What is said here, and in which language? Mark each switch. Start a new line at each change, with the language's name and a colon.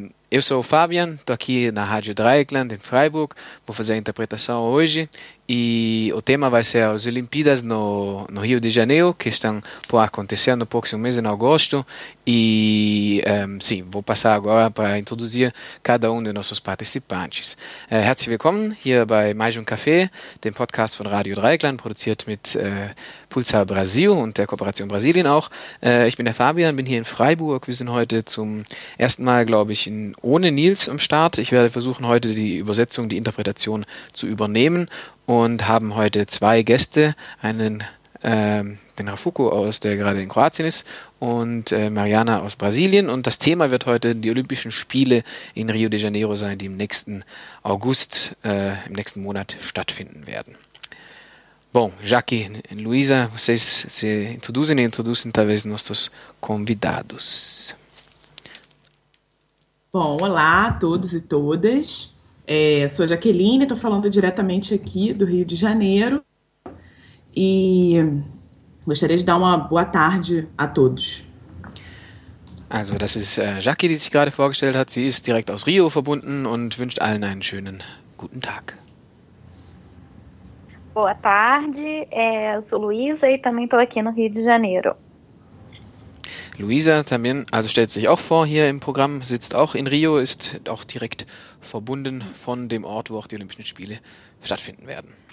Portuguese: Eu sou o Fabian, estou aqui na Rádio Dreieckland em Freiburg, vou fazer a interpretação hoje. E o tema vai ser as Olimpíadas no Rio de Janeiro, que estão por acontecer no próximo mês, em agosto. E sim, vou passar agora para introduzir cada um de nossos participantes.
German: Herzlich willkommen hier bei Mais um Café, dem Podcast von Radio Dreieckland, produziert mit Pulsar Brasil und der Kooperation Brasilien auch. Ich bin der Fabian, bin hier in Freiburg. Wir sind heute zum ersten Mal, glaube ich, ohne Nils am Start. Ich werde versuchen, heute die Übersetzung, die Interpretation zu übernehmen. Und haben heute zwei Gäste, einen den Rafuko aus, der gerade in Kroatien ist, und Mariana aus Brasilien. Und das Thema wird heute die Olympischen Spiele in Rio de Janeiro sein, die im nächsten August, im nächsten Monat stattfinden werden.
Portuguese: Bom, Jackie e Luisa, vocês se introduzem e introduzem talvez nossos convidados. Bom, olá a todos e todas. Sou a Jaqueline, estou falando diretamente aqui do Rio de Janeiro e gostaria de dar uma boa tarde a todos.
German: Also, das ist Jackie, die sich gerade vorgestellt hat. Sie ist direkt aus Rio verbunden und wünscht allen einen schönen guten Tag.
Portuguese: Boa tarde, sou Luisa e também estou aqui no Rio de Janeiro.
German: Luisa también, also stellt sich auch vor hier im Programm, sitzt auch in Rio, ist auch direkt verbunden von dem Ort, wo auch die Olympischen Spiele stattfinden werden.